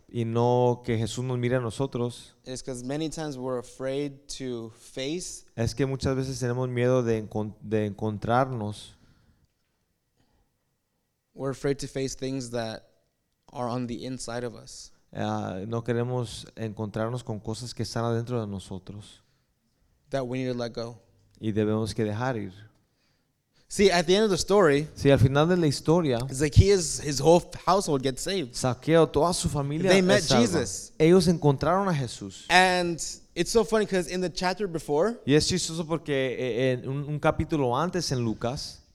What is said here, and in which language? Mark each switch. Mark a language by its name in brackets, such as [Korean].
[Spanish] y no que Jesús nos mire a nosotros, [English] is because many times we're afraid to face, [Spanish] es que muchas veces tenemos miedo de encontrarnos, [English] we're afraid to face things that are on the inside of us, [Spanish] No queremos encontrarnos con cosas que están adentro de nosotros. [English] That we need to let go. [Spanish] Y debemos que dejar ir. [English] See, at the end of the story, [Spanish] sí, al final de la historia, [English] Zacchaeus, his whole household gets saved. [Spanish] Zaqueo, toda su familia, [English] they met Jesus. [Spanish] Ellos encontraron a Jesús. [English] And it's so funny because in the chapter before, [Spanish] y es chistoso porque en un capítulo antes en Lucas,